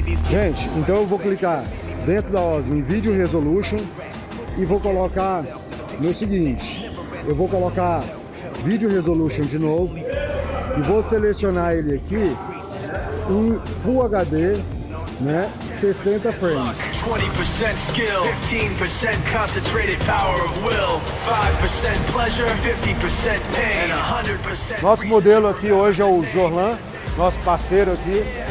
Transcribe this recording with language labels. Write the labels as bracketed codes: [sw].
[pt] Gente, então eu vou clicar dentro da Osmo em Video Resolution e vou colocar no seguinte, eu vou colocar Video Resolution de novo e vou selecionar ele aqui em Full HD, né, 60 frames. [en] 20% skill, 15% concentrated power of will, 5% pleasure, 50% pain, and 100%. [pt] Nosso modelo aqui hoje é o Jorlan, nosso parceiro aqui.